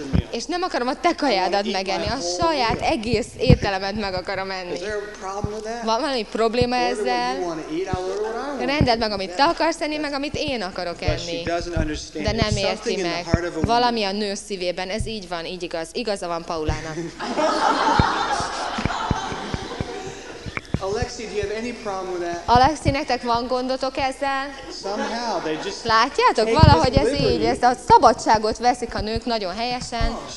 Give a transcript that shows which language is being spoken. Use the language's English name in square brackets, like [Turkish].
[Hungarian] És nem akarom a te kajádat megenni, a saját egész ételemet meg akarom enni. Van valami probléma ezzel? Rendeld meg, amit te akarsz enni, meg amit én akarok enni. De nem érti meg. Valami a nő szívében, ez így van, így igaz. Igaza van Paulának. [English] Alexi, do you have any problem with that? [Hungarian] Alexi, nektek van gondotok ezzel? [English] Somehow they just [Hungarian] látjátok, valahogy ez így, ezt a szabadságot veszik a nők nagyon helyesen.